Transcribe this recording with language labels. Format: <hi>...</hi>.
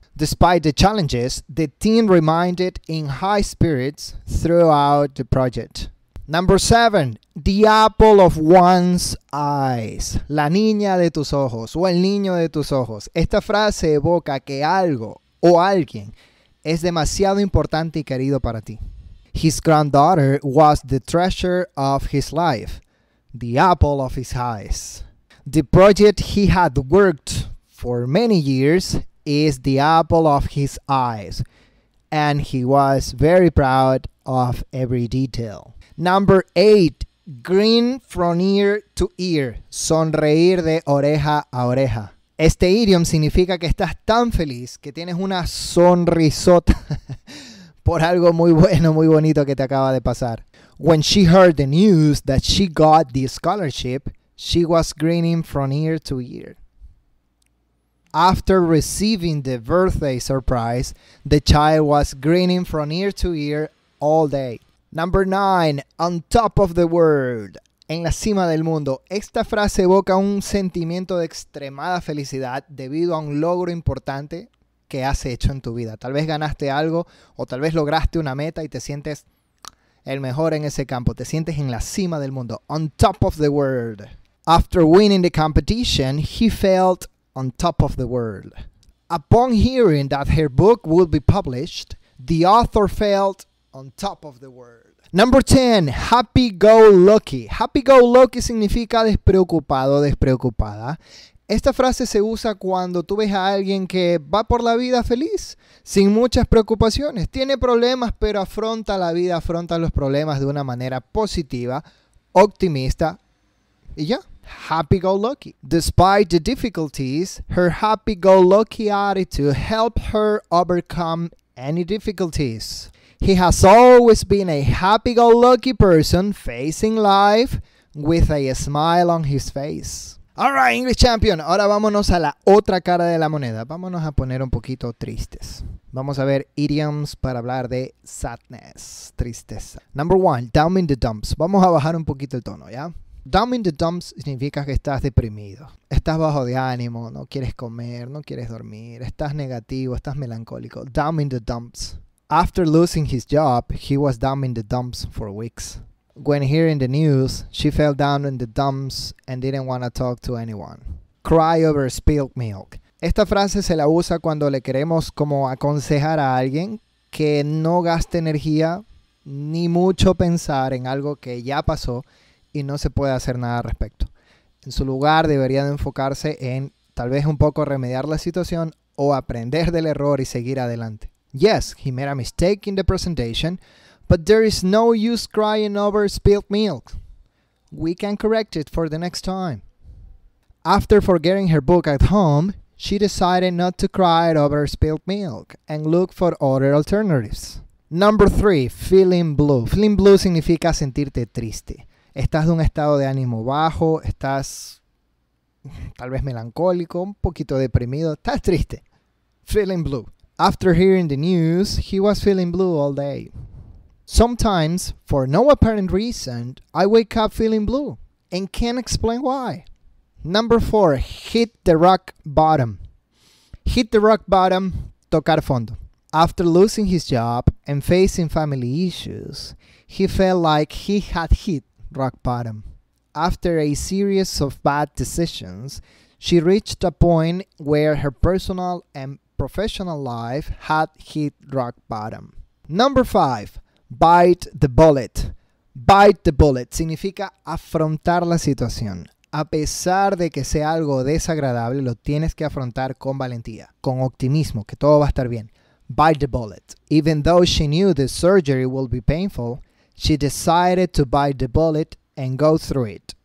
<en>Despite the challenges, the team remained in high spirits throughout the project. Number seven, the apple of one's eyes.</en> <es>La niña de tus ojos o el niño de tus ojos. Esta frase evoca que algo o alguien es demasiado importante y querido para ti.</es> <en>His granddaughter was the treasure of his life, the apple of his eyes. The project he had worked for many years is the apple of his eyes, and he was very proud of every detail. Number eight, grin from ear to ear,</en> <es>sonreír de oreja a oreja. Este idiom significa que estás tan feliz que tienes una sonrisota por algo muy bueno, muy bonito que te acaba de pasar.</es> <en>When she heard the news that she got the scholarship, she was grinning from ear to ear. After receiving the birthday surprise, the child was grinning from ear to ear all day. Number nine, on top of the world.</en> <es>en la cima del mundo. Esta frase evoca un sentimiento de extremada felicidad debido a un logro importante que has hecho en tu vida. Tal vez ganaste algo o tal vez lograste una meta y te sientes el mejor en ese campo. Te sientes en la cima del mundo.</es> <en>On top of the world. After winning the competition, he felt on top of the world. Upon hearing that her book would be published, the author felt on top of the world. Number 10, happy-go-lucky. Happy-go-lucky</en> <es>significa despreocupado, despreocupada. Esta frase se usa cuando tú ves a alguien que va por la vida feliz, sin muchas preocupaciones. Tiene problemas, pero afronta la vida, afronta los problemas de una manera positiva, optimista y ya.</es> <en>Happy-go-lucky. Despite the difficulties, her happy-go-lucky attitude helped her overcome any difficulties. He has always been a happy-go-lucky person facing life with a smile on his face. All right, English champion.</en> <es>Ahora vámonos a la otra cara de la moneda. Vámonos a poner un poquito tristes. Vamos a ver idioms para hablar de sadness, tristeza.</es> <en>Number one, down in the dumps.</en> <es>Vamos a bajar un poquito el tono, ¿ya?</es> <en>Down in the dumps</en> <es>significa que estás deprimido, estás bajo de ánimo, no quieres comer, no quieres dormir, estás negativo, estás melancólico.</es> <en>Down in the dumps. After losing his job, he was down in the dumps for weeks. When hearing the news, she fell down in the dumps and didn't want to talk to anyone. Cry over spilled milk.</en> <es>Esta frase se la usa cuando le queremos como aconsejar a alguien que no gaste energía ni mucho pensar en algo que ya pasó y no se puede hacer nada al respecto. En su lugar, debería de enfocarse en tal vez un poco remediar la situación o aprender del error y seguir adelante.</es> <en>Yes, he made a mistake in the presentation, but there is no use crying over spilled milk. We can correct it for the next time. After forgetting her book at home, she decided not to cry over spilled milk and look for other alternatives. Number 3, feeling blue. Feeling blue</en> <es>significa sentirte triste. Estás de un estado de ánimo bajo, estás tal vez melancólico, un poquito deprimido, estás triste.</es> <en>Feeling blue. After hearing the news, he was feeling blue all day. Sometimes, for no apparent reason, I wake up feeling blue and can't explain why. Number 4, hit the rock bottom. Hit the rock bottom,</en> <es>tocar fondo.</es> <en>After losing his job and facing family issues, he felt like he had hit rock bottom. After a series of bad decisions, she reached a point where her personal and professional life had hit rock bottom. Number 5, bite the bullet. Bite the bullet</en> <es>significa afrontar la situación. A pesar de que sea algo desagradable, lo tienes que afrontar con valentía, con optimismo, que todo va a estar bien.</es> <en>Bite the bullet. Even though she knew the surgery would be painful, she decided to bite the bullet and go through it.</en>